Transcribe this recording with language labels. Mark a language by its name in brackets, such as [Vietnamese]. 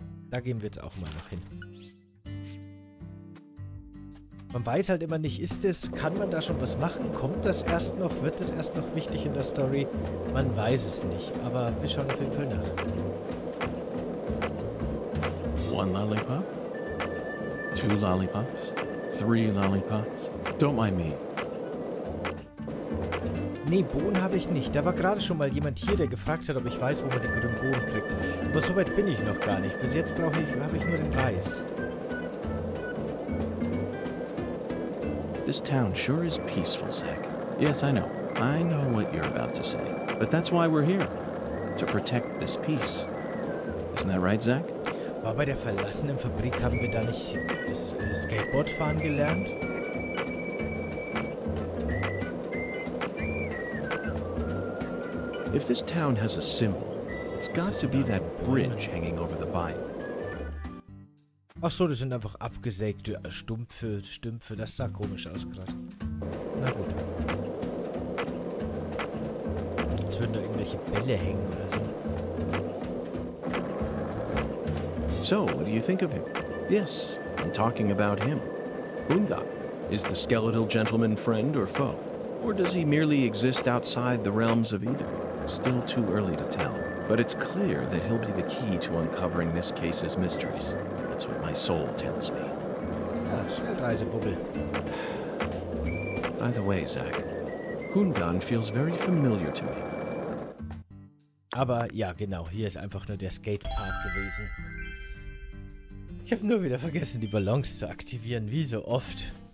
[German] Da gehen wir jetzt auch mal noch hin. Man weiß halt immer nicht, ist es, kann man da schon was machen? Kommt das erst noch? Wird das erst noch wichtig in der Story? Man weiß es nicht. Aber wir schauen auf jeden Fall nach. [English] One lollipop, two lollipops, three lollipops. Don't mind me. [German] Nee, Bohnen habe ich nicht. Da war gerade schon mal jemand hier, der gefragt hat, ob ich weiß, wo man die grünen Bohnen kriegt. Aber so weit bin ich noch gar nicht. Bis jetzt habe ich nur den Reis. [English] This town sure is peaceful, Zach. Yes, I know. I know what you're about to say. But that's why we're here. To protect this peace. Isn't that right, Zach? [German] War bei der verlassenen Fabrik haben wir da nicht das Skateboard fahren gelernt? [English] If this town has a symbol, it's got to be that bridge hanging over the bay. [German] Ach so, das sind einfach abgesägte Stümpfe, das sah komisch aus gerade. Na gut. Jetzt würden da irgendwelche Bälle hängen oder so. [English] So, what do you think of him? Yes, I'm talking about him. Boondock. Is the skeletal gentleman friend or foe? Or does he merely exist outside the realms of either? Still too early to tell. But it's clear that he'll be the key to uncovering this case's mysteries. That's what my soul tells me. [German] Ah, Schnellreisebubble. [English] By the way, Zach, Boondock feels very familiar to me. [German] Aber ja, genau, hier ist einfach nur der Skatepark gewesen. Ich habe nur wieder vergessen, die Ballons zu aktivieren, wie so oft.